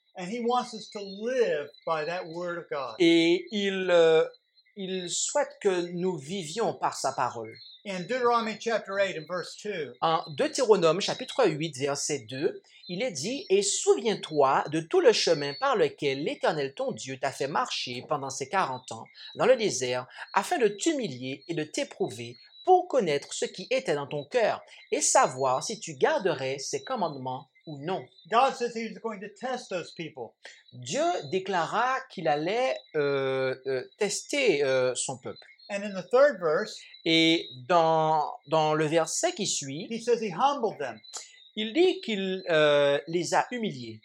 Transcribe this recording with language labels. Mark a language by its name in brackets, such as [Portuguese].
[English] And He wants us to live by that word of God. [French] Et il Il souhaite que nous vivions par sa parole. [English] In Deuteronomy chapter 8 and verse 2. [French] En Deutéronome chapitre 8 verset 2, il est dit: Et souviens-toi de tout le chemin par lequel l'Éternel ton Dieu t'a fait marcher pendant ces 40 ans dans le désert afin de t'humilier et de t'éprouver pour connaître ce qui était dans ton cœur et savoir si tu garderais ses commandements ou non. [English] God says he's going to test those people. [French] Dieu déclara qu'il allait tester son peuple. [English] And in the third verse, [French] et dans le verset qui suit, [English] he says he humbled them. [French] Il dit qu'il les a humiliés.